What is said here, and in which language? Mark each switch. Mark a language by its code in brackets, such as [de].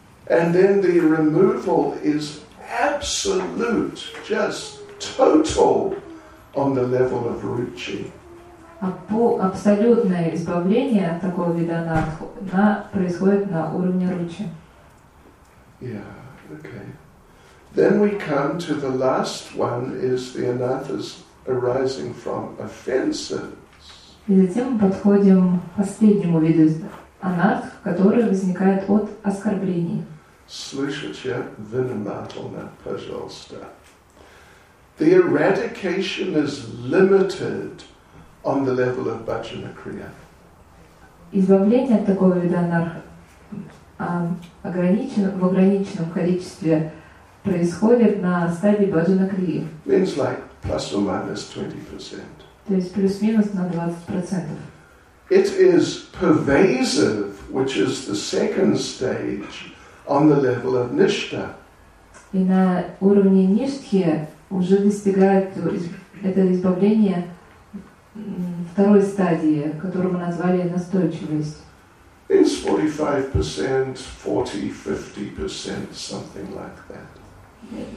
[en] And then the removal is absolute, just total on the level of ruchi. [ru] Абсолютное избавление от такого вида анат происходит на уровне ручи. [en] Yeah, okay. Then we come to the last one is the anathas arising from offenses. [ru] И затем мы подходим к последнему виду анат, который возникает от оскорблений. Слышите, виноматолна, пожалуйста. [en] The eradication is limited on the level of bhajana kriya. [ru] Избавление от такого вида анат в ограниченном количестве происходит на стадии бхаджана крии. [en] Means like plus or minus 20%. [ru] То есть плюс-минус на 20%. [en] It is pervasive, which is the second stage, on the level of nishtha. [ru] И на уровне ништхи уже достигает это избавление второй стадии, которую мы назвали настойчивость. [en] Means 45%, 40, 50%, something like that.